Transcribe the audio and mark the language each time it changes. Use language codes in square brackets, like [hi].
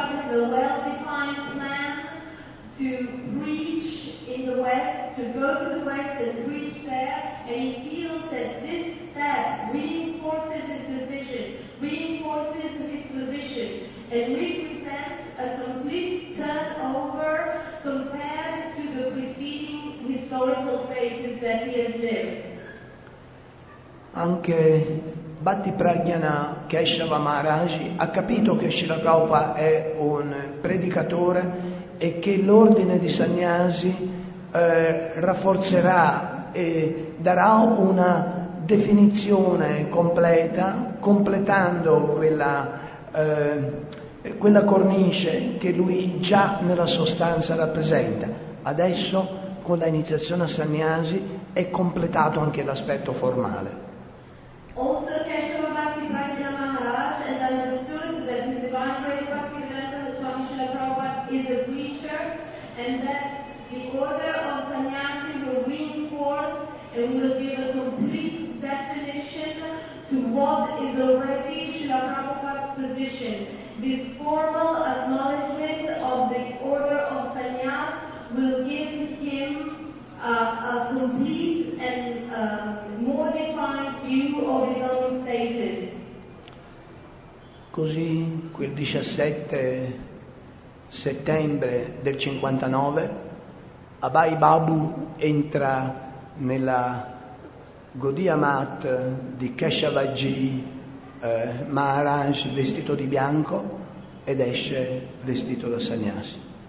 [en] A well-defined plan to preach in the West, to go to the West and preach there, and he feels that this step reinforces his decision, reinforces his position, and represents a complete turnover compared to the preceding historical phases that he has lived. [it] Anche Bhakti Pragyana Keshava Maharaj ha capito che Srila Prabhupada è un predicatore e che l'ordine di Sannyasi rafforzerà e darà una definizione completa, completando quella cornice che lui già nella sostanza rappresenta. Adesso con la iniziazione a Sannyasi è completato anche l'aspetto formale. [en] Also Keshava Bhakti Pragyana Maharaj and understood that his divine grace Bhakti Vedanta Swami Srila Prabhupada is a preacher and that the order of Sannyasi will reinforce and will give a complete definition to what is already Srila Prabhupada's position. This formal acknowledgement of the order of Sannyas will give him a complete and more defined view of his own status. [it] Così quel 17 settembre del 59 Abai Babu entra nella Gaudiya Math di Keshavaji Maharaj vestito di bianco ed esce vestito da Sannyasi.